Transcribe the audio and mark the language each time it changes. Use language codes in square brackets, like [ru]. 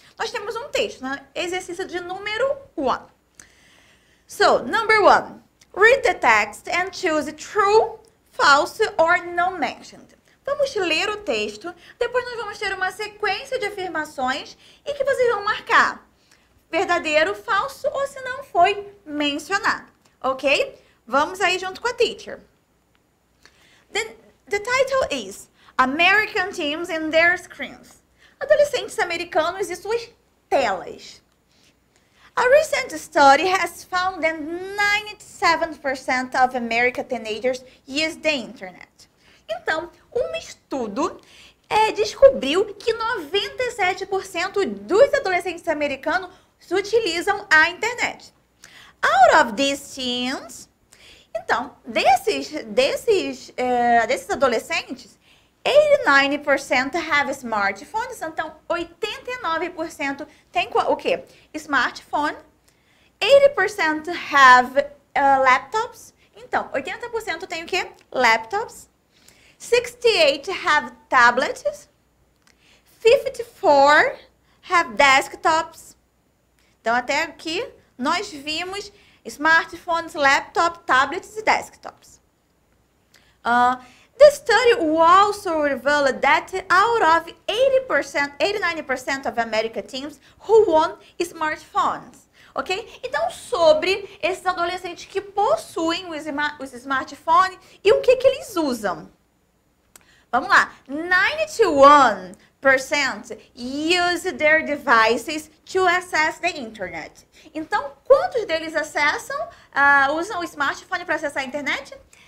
[pt] Nós temos um texto, né? Exercício de número 1. [en] So, number one, read the text and choose true, false or not mentioned. [pt] Vamos ler o texto, depois nós vamos ter uma sequência de afirmações e que vocês vão marcar verdadeiro, falso ou se não foi mencionado, ok? Vamos aí junto com a teacher. [en] The title is American Teams and Their Screens. [pt] Adolescentes americanos e suas telas. [en] A recent study has found that 97% of American teenagers use the internet. [pt] Então, um estudo descobriu que 97% dos adolescentes americanos utilizam a internet. [en] Out of these teens, [pt] então, desses adolescentes, [en] 89% have smartphones, [pt] então 89% tem o quê? Smartphone. [en] 80% have laptops, [pt] então 80% tem o quê? Laptops. [en] 68% have tablets. 54% have desktops. [pt] Então até aqui nós vimos smartphones, laptops, tablets e desktops. [en] The study also revealed that out of 89% of American teens who own smartphones, ok? [pt] Então, sobre esses adolescentes que possuem os smartphones e o que eles usam. Vamos lá. [en] 91% use their devices to access the internet. [pt] Então, quantos deles usam o smartphone para acessar a internet?